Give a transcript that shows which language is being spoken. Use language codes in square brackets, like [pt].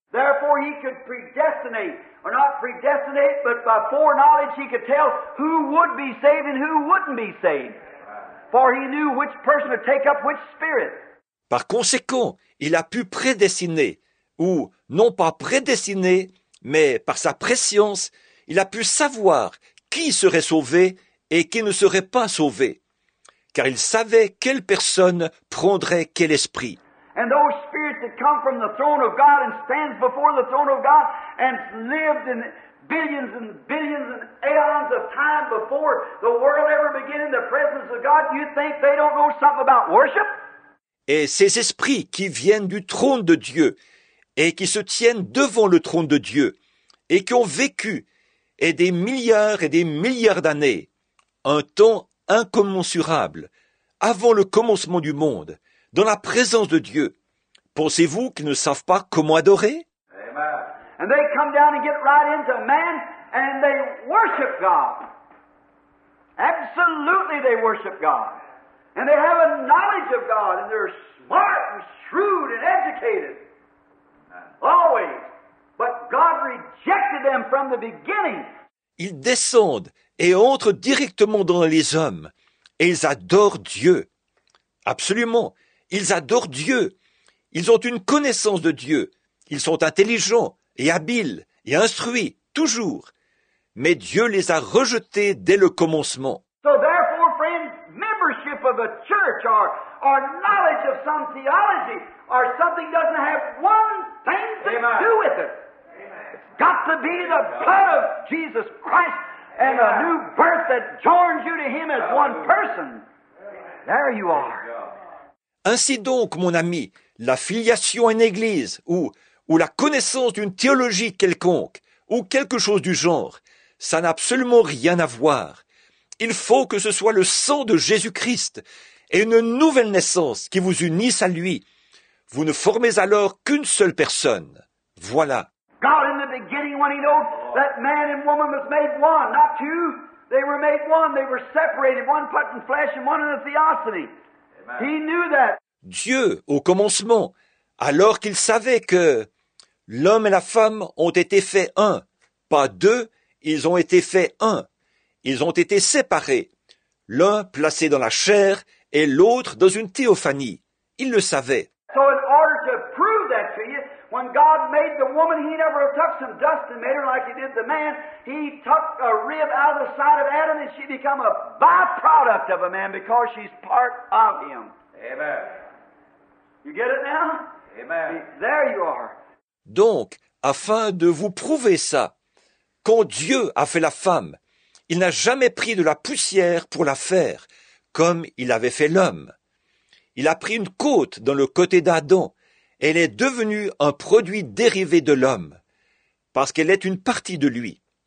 [en] Therefore, he could predestinate, or not predestinate, but by foreknowledge, he could tell who would be saved and who wouldn't be saved. For he knew which person would take up which spirit. [fr] Par conséquent, il a pu prédestiner, ou non pas prédestiner, mais par sa préscience, il a pu savoir qui serait sauvé et qui ne serait pas sauvé, car il savait quelle personne prendrait quel esprit. [en] And those spirits that come from the throne of God and stand before the throne of God and lived in billions and billions and aeons of time before the world ever began in the presence of God, you think they don't know something about worship? [fr] Et ces esprits qui viennent du trône de Dieu et qui se tiennent devant le trône de Dieu et qui ont vécu et des milliards d'années, un temps incommensurable, avant le commencement du monde, dans la présence de Dieu. Pensez-vous qu'ils ne savent pas comment adorer? [en] And they come down and get right into man and they worship God. Absolutely they worship God. And they have a knowledge of God and they're smart and shrewd and educated. Always. But God rejected them from the beginning. [fr] Ils descendent et entrent directement dans les hommes et ils adorent Dieu. Absolument. Ils adorent Dieu. Ils ont une connaissance de Dieu. Ils sont intelligents et habiles et instruits, toujours. Mais Dieu les a rejetés dès le commencement. [en] So therefore, friends, membership of a church or knowledge of some theology or something doesn't have one thing to Amen. Do with it. It's got to be the blood of Jesus Christ and Amen. A new birth that joins you to him as one person. There you are. [fr] Ainsi donc, mon ami, la filiation à une église ou la connaissance d'une théologie quelconque ou quelque chose du genre, ça n'a absolument rien à voir. Il faut que ce soit le sang de Jésus-Christ et une nouvelle naissance qui vous unisse à lui. Vous ne formez alors qu'une seule personne. Voilà. [en] God in the beginning when he knows that man and woman was made one, not two. They were made one, they were separated, one put in flesh and one in a theosophy. He knew that. [fr] Dieu, au commencement, alors qu'il savait que l'homme et la femme ont été faits un, pas deux, ils ont été faits un. Ils ont été séparés, l'un placé dans la chair et l'autre dans une théophanie. Il le savait. [en] So in order to prove that to you, when God made the woman, he never took some dust and made her like he did the man. He took a rib out of the side of Adam and she became a byproduct of a man because she's part of him. Amen. You get it now? Amen. There you are. [fr] Donc, afin de vous prouver ça, quand Dieu a fait la femme, il n'a jamais pris de la poussière pour la faire, comme il avait fait l'homme. Il a pris une côte dans le côté d'Adam. Elle est devenue un produit dérivé de l'homme, parce qu'elle est une partie de lui.